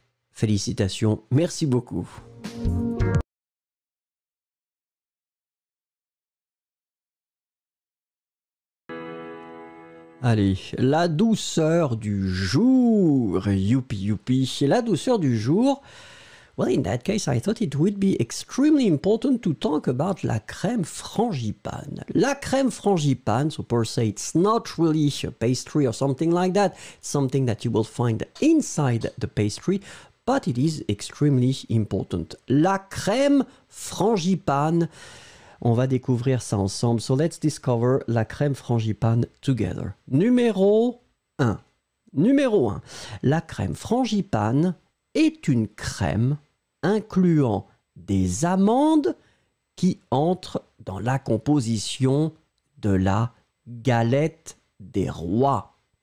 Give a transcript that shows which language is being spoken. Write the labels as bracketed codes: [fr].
[fr] Félicitations, merci beaucoup. Allez, la douceur du jour, youpi youpi, la douceur du jour. [en] Well, in that case, I thought it would be extremely important to talk about la crème frangipane. La crème frangipane, so per se, it's not really a pastry or something like that, something that you will find inside the pastry, but it is extremely important. [fr] La crème frangipane, on va découvrir ça ensemble. [en] So let's discover la crème frangipane together. [fr] Numéro 1. Numéro 1. La crème frangipane est une crème incluant des amandes qui entrent dans la composition de la galette des rois.